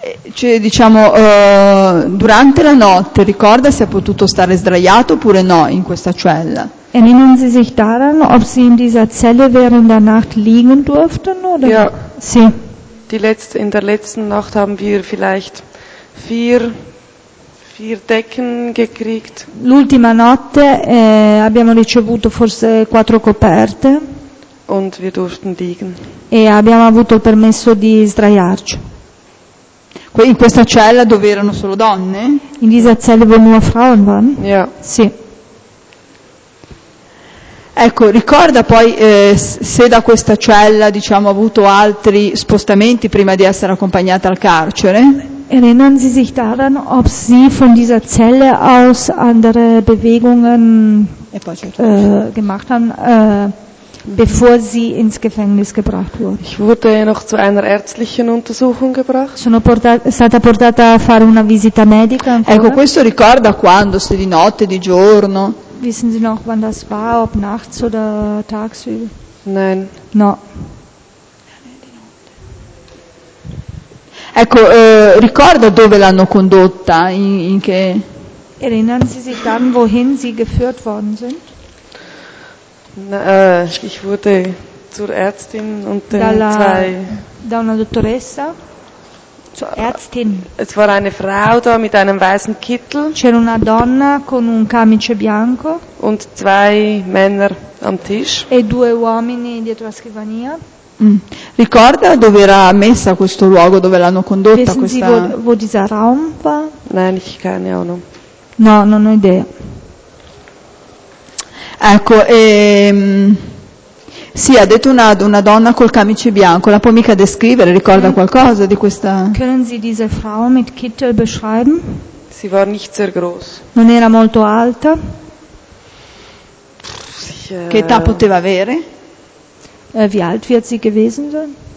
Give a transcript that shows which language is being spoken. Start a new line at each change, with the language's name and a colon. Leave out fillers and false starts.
Italian: Cioè, diciamo, durante la notte ricorda se ha potuto stare sdraiato oppure no in questa cella?
German: Erinnern Sie sich daran, ob Sie in dieser Zelle während der Nacht liegen durften oder? Ja. Sie. In der letzten Nacht haben wir vielleicht vier Decken gekriegt.
Italian: L'ultima notte abbiamo ricevuto forse quattro coperte.
German: Und wir durften liegen.
Italian: E abbiamo avuto il permesso di sdraiarci. In questa cella dove erano solo donne?
German: In dieser Zelle wo nur Frauen waren? Ja.
Italian: Sì. Ecco, ricorda poi se da questa cella, diciamo, ha avuto altri spostamenti prima di essere accompagnata al carcere?
German: Erinnern Sie sich daran, ob Sie von dieser Zelle aus andere Bewegungen gemacht haben, bevor Sie ins Gefängnis gebracht wurden? Ich wurde noch zu einer ärztlichen Untersuchung gebracht.
Italian: Sono stata portata a fare una visita medica ancora? Ecco, questo ricorda quando, se di notte, di giorno?
German: Wissen Sie noch, wann das war, ob nachts oder tagsüber? Nein.
Italian: No. Ecco, ricorda dove l'hanno condotta, in che...
German: Erinnern Sie sich dann, wohin Sie geführt worden sind? Ich wurde zur Ärztin und den zwei...
Italian: Da una dottoressa? Ärztin.
German: Es war eine Frau da mit einem weißen Kittel.
Italian: C'era una donna con un camice bianco.
German: Und zwei Männer am Tisch.
Italian: E due uomini dietro la scrivania. Ricorda dove era messa questo luogo, dove l'hanno condotta questa?
German: Wissen Sie, wo dieser Raum war? Nein, ich keine Ahnung.
Italian: No, non ho idea. Ecco, sì, ha detto una donna col camice bianco. La può mica descrivere? Ricorda qualcosa di questa?
German: Können Sie diese Frau mit Kittel beschreiben? Sie war nicht sehr groß.
Italian: Non era molto alta. Che età poteva avere?
German: Wie alt wird sie gewesen sein?